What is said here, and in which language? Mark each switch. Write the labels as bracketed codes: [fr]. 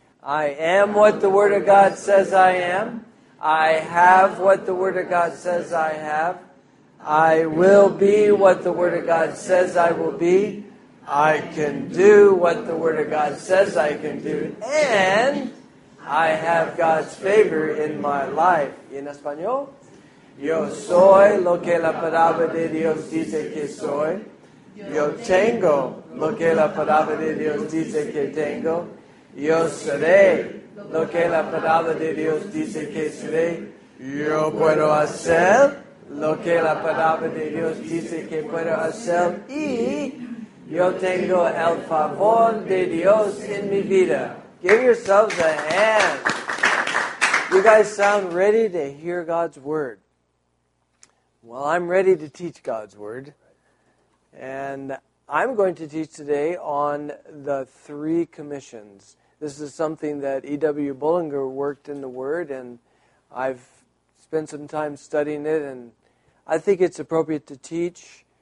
[en] I am what the Word of God says I am. I have what the Word of God says I have. I will be what the Word of God says I will be. I can do what the Word of God says I can do. And I have God's favor in my life. [es] ¿En español? Yo soy lo que la palabra de Dios dice que soy. Yo tengo lo que la palabra de Dios dice que tengo. Yo seré lo que la palabra de Dios dice que seré. Yo puedo hacer lo que la palabra de Dios dice que puedo hacer. Y yo tengo el favor de Dios en mi vida. [en] Give yourselves a hand. You guys sound ready to hear God's word. Well, I'm ready to teach God's word. And I'm going to teach today on the three commissions. This is something that E.W. Bullinger worked in the Word, and I've spent some time studying it, and I think it's appropriate to teach.